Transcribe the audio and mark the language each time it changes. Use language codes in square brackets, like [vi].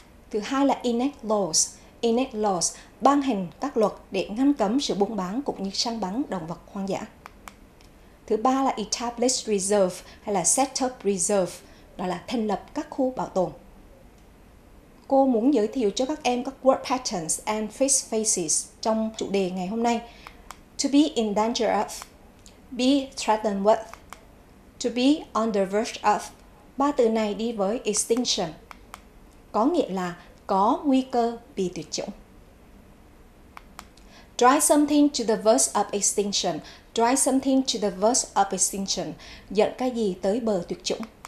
[vi] Thứ hai là [en] enact laws. Enact laws, [vi] ban hành các luật để ngăn cấm sự buôn bán cũng như săn bắn động vật hoang dã. Thứ ba là [en] Establish Reserve [vi] hay là [en] Set Up Reserve, [vi] đó là thành lập các khu bảo tồn. Cô muốn giới thiệu cho các em các [en] word patterns and phrase faces [vi] trong chủ đề ngày hôm nay. [en] To be in danger of, be threatened with, to be on the verge of. [vi] Ba từ này đi với extinction, có nghĩa là có nguy cơ bị tuyệt chủng. [en] Drive something to the verge of extinction. Drive something to the verge of extinction. [vi] Dẫn cái gì tới bờ tuyệt chủng.